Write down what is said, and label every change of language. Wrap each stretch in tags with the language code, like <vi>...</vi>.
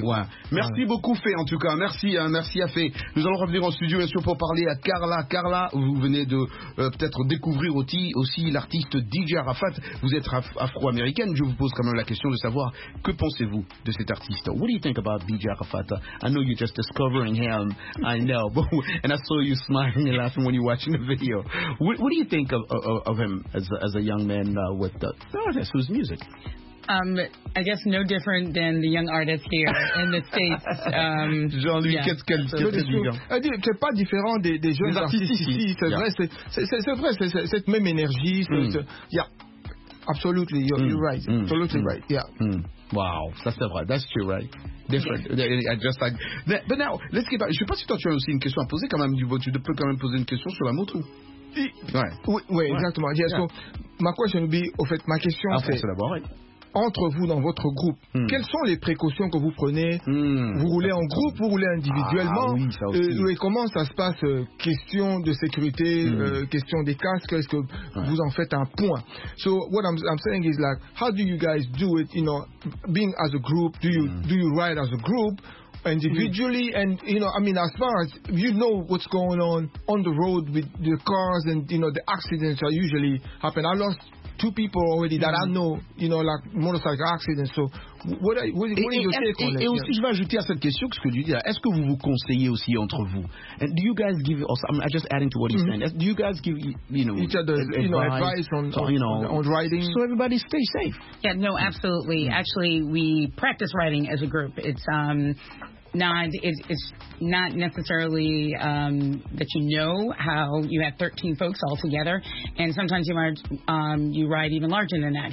<fr>Ouais. Merci beaucoup, Fé, en tout cas. Merci, hein, merci à Fé. Nous allons revenir en studio, bien sûr, pour parler à Carla. Carla, vous venez de peut-être découvrir aussi l'artiste DJ Arafat. Vous êtes afro-américaine. Je vous pose quand même la question de savoir que pensez-vous de cet artiste.</fr> <en>What do you think about DJ Arafat? I know you're just discovering him. I know. And I saw you smiling and laughing when you're watching the video. What do you think of him as a young man with the artist whose music? I guess no different than the young artist here in the States.</en> <fr>Jean-Louis, yeah. qu'est-ce qu'elle dit? C'est pas différent des jeunes artistes ici. C'est vrai, c'est cette même énergie.</fr> <en>Absolutely, you're right. Mm. Absolutely right, yeah. Mm. Wow,</en> <fr>ça c'est vrai,</fr> <en>that's true, right? Different. But now, let's get back.</en> <fr>Je sais pas si toi tu as aussi une question à poser quand même. Tu peux quand même poser une question sur la moto. Oui, exactement.</fr> <en>Yeah. So,</en> <fr>ma question</fr> <en>would be,</en> <fr>au fait, ma question c'est d'abord, entre vous dans votre groupe, quelles sont les précautions que vous prenez? Vous roulez en groupe, vous roulez individuellement? Et comment ça se passe? Question de sécurité, question des casques, est-ce que vous en faites un point?</fr> <en>So what I'm saying is like, how do you guys do it? You know, being as a group, do you ride as a group? Individually, and you know, I mean, as far as you know what's going on the road with the cars, and you know, the accidents are usually happen. I lost 2 people already that I know, you know, like motorcycle accidents. So, what is your take on it?</en> <fr>Et aussi, je vais ajouter à cette question que ce que tu dis, est-ce que vous vous conseillez aussi entre vous?</fr> <en>And do you guys give us, I'm just adding to what you're saying, do you guys give, you know, each other advice on riding? So, everybody stay safe. Yeah, no, absolutely. Mm-hmm. Actually, we practice riding as a group. It's not necessarily that you know how you have 13 folks all together, and sometimes you ride even larger than that.</en>